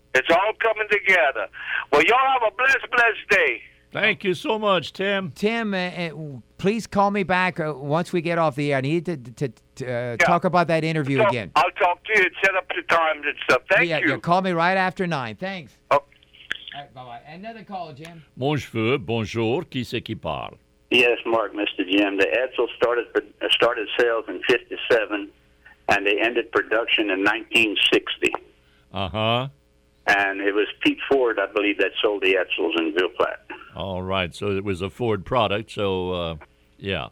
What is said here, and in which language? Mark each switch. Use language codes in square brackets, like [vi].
[en] It's all coming together. Well, y'all have a blessed, blessed day. Thank you so much, Tim. Tim, please call me back once we get off the air. I need to talk about that interview again. I'll talk to you and set up the times and stuff. Thank you. Call me right after 9. Thanks. Okay. All right, bye-bye. Another call, Jim. [fr] Moi je veux, bonjour, qui c'est qui parle? [en] Yes, Mark, Mr. Jim. The Edsel started sales in 57, and they ended production in 1960. Uh-huh. And it was Pete Ford, I believe, that sold the Edsels in Ville Platte. All right, so it was a Ford product, so, yeah.